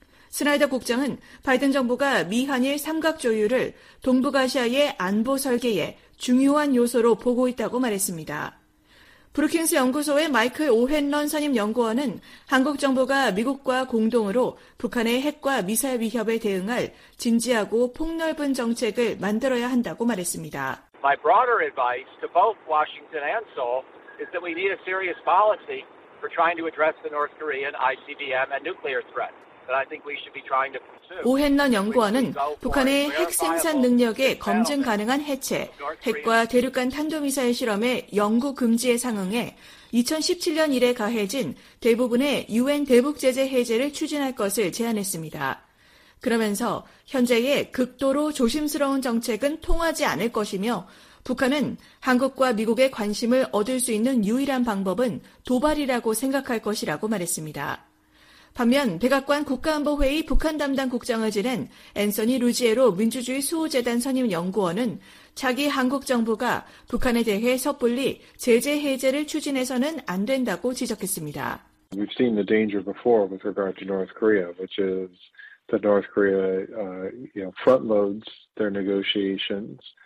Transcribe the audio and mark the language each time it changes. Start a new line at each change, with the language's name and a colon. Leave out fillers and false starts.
Korean: 스나이더 국장은 바이든 정부가 미한일 삼각조율을 동북아시아의 안보 설계에 중요한 요소로 보고 있다고 말했습니다. 브루킹스 연구소의 마이클 오헨런 선임 연구원은 한국 정부가 미국과 공동으로 북한의 핵과 미사일 위협에 대응할 진지하고 폭넓은 정책을 만들어야 한다고 말했습니다.
English: My broader advice to both Washington and Seoul is that we need a serious policy for trying to address the North Korean ICBM and nuclear threat. That I think we should be trying to pursue.
Korean: 오헨런 연구원은 북한의 핵 생산 능력의 검증 가능한 해체, 핵과 대륙간 탄도미사일 실험의 영구 금지에 상응해 2017년 이래 가해진 대부분의 유엔 대북 제재 해제를 추진할 것을 제안했습니다. 그러면서 현재의 극도로 조심스러운 정책은 통하지 않을 것이며 북한은 한국과 미국의 관심을 얻을 수 있는 유일한 방법은 도발이라고 생각할 것이라고 말했습니다. 반면 백악관 국가안보회의 북한 담당 국장을 지낸 앤서니 루지에로 민주주의 수호재단 선임 연구원은 차기 한국 정부가 북한에 대해 섣불리 제재 해제를 추진해서는 안 된다고 지적했습니다.
English: We've seen the danger before with regard to North Korea, which is that North Korea front-loads their negotiations.